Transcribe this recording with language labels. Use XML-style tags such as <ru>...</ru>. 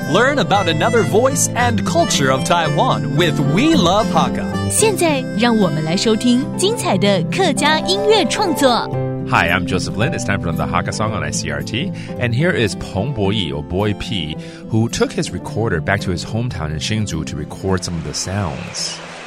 <en>Learn about another voice and culture of Taiwan with We Love Hakka。</en> <zh>现在让我们来收听精彩的客家音乐创作。</zh> <en>Hi, I'm Joseph Lin. It's time for the Hakka song on ICRT. And here is 彭柏邑, or Boy P, who took his recorder back to his hometown in Hsinchu to record some of the sounds.</en>